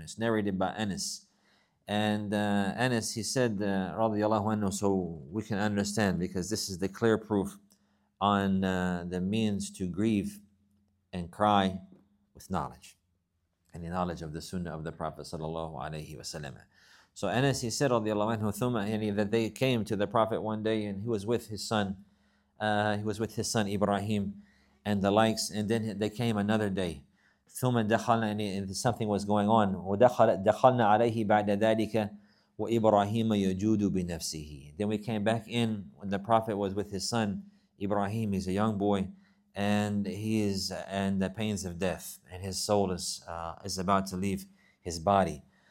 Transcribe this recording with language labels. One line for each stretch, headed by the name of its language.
English: It's narrated by Anas. And Anas, he said, radiyallahu anhu, so we can understand, because this is the clear proof on the means to grieve and cry with knowledge, and the knowledge of the sunnah of the Prophet sallallahu alayhi wa sallam. So Anas, he said, radiyallahu anhu, thumma, yani, that they came to the Prophet one day, and he was with his son Ibrahim, and the likes. And then they came another day.
Arabic: ثم دخلنا,
English: and something was going on.
Arabic: ودخلنا عليه بعد ذلك وإبراهيم يجود بنفسه.
English: Then we came back in when the prophet was with his son Ibrahim. He's a young boy, and he is in the pains of death, and his soul is about to leave his body.